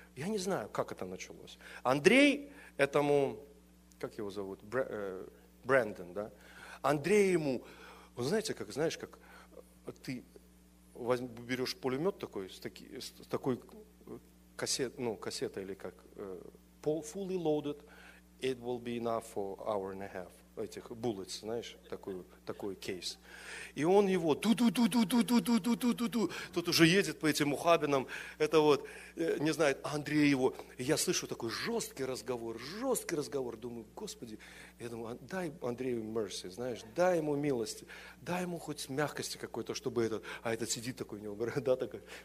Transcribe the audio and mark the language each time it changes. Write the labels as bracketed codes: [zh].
[ru] Я не знаю, как это началось. Андрей этому... Как его зовут? Брэндон, да? Андрей ему... Вы знаете, как, знаешь, как ты берешь пулемет такой, с такой кассетой, или как... [en] Fully loaded, it will be enough for hour and a half. [ru] Этих [en] bullets, [ru] знаешь, такой кейс. И он его ту-ту-ту-ту-ту-ту-ту-ту-ту-ту. Тут уже едет по этим ухабинам, это вот, не знает, Андрей его. И я слышу такой жесткий разговор. Думаю, Господи, я думаю, дай Андрею [en] mercy, [ru] знаешь, дай ему милости, дай ему хоть мягкости какой-то, чтобы этот, а этот сидит такой у него, борода такая.